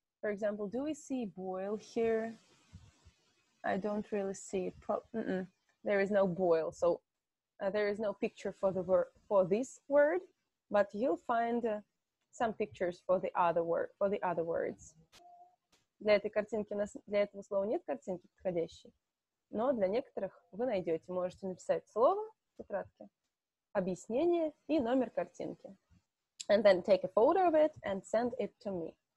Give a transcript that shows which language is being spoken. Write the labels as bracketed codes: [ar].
[en] For example, do we see boil here? I don't really see it. There is no boil, so there is no picture for the this word, but you'll find some pictures for the other word, for the other words. [ru] Для этой картинки, для этого слова нет картинки подходящей. Но для некоторых вы найдете, можете написать слово в тетрадке, объяснение и номер картинки. [en] And then take a photo of it and send it to me.